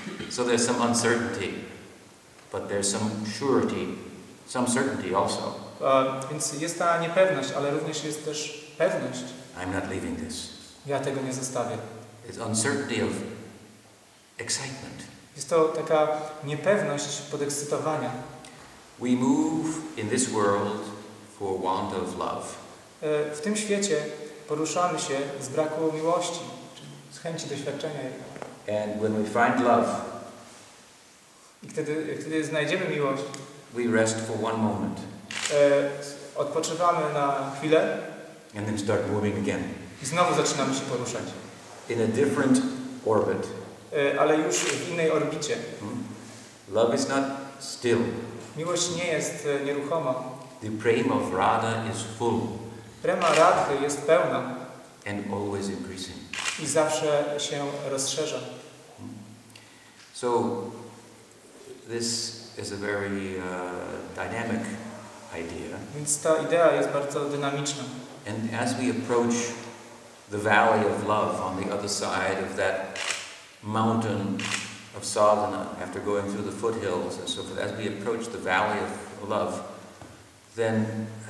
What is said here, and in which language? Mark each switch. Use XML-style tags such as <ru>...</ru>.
<en>So there's some uncertainty, but there's some surety, some certainty also.</en> <pl>Więc jest ta niepewność, ale również jest też pewność.</pl> <en>I'm not leaving this.</en> <pl>Ja tego nie zostawię.</pl> <en>It's uncertainty of excitement.</en> <pl>Jest to taka niepewność podekscytowania.</pl> <en>We move in this world for want of love.</en> <pl>W tym świecie poruszamy się z braku miłości, z chęci doświadczenia.</pl> <en>And when we find love,</en> <pl>i kiedy znajdziemy miłość,</pl> <en>we rest for one moment.</en> <pl>Odpoczywamy na chwilę.</pl> <en>And then start moving again.</en> <pl>I znowu zaczynamy się poruszać.</pl> <en>In a different orbit.</en> <pl>Ale już w innej orbicie.</pl> <en>Love is not still.</en> <pl>Miłość nie jest nieruchoma.</pl> <en>The prema of Radha is full.</en> <pl>Prema Radhy jest pełna.</pl> <en>And always increasing.</en> <pl>I zawsze się rozszerza.</pl> <en>So this is a very dynamic idea.</en> <pl>Więc ta idea jest bardzo dynamiczna.</pl> <en>And as we approach the valley of love on the other side of that mountain of sadhana, after going through the foothills and so forth, as we approach the valley of love, then</en>